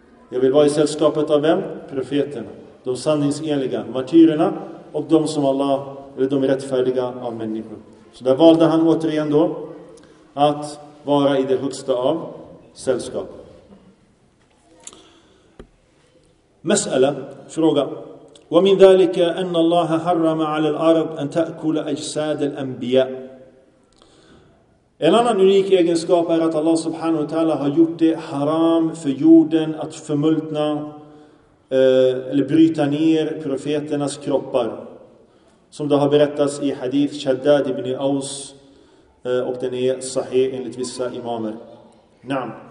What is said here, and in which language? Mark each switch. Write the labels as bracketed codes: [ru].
[sv] Jag vill vara i sällskapet av vem? Profeterna, de sanningsenliga, martyrerna och de som Allah eller de rättfärdiga av människor. Så där valde han återigen då att vara i det högsta av sällskap. [ar] مسألة فروقة ومن ذلك أن الله حرم على الأرض أن تأكل أجساد الأنبياء. [sv] En annan unik egenskap är att Allah subhanahu wa ta'ala har gjort det haram för jorden att förmultna eller bryta ner profeternas kroppar. Som det har berättats i hadith Shaddad ibn Aus och den är sahih enligt vissa imamer. Naam.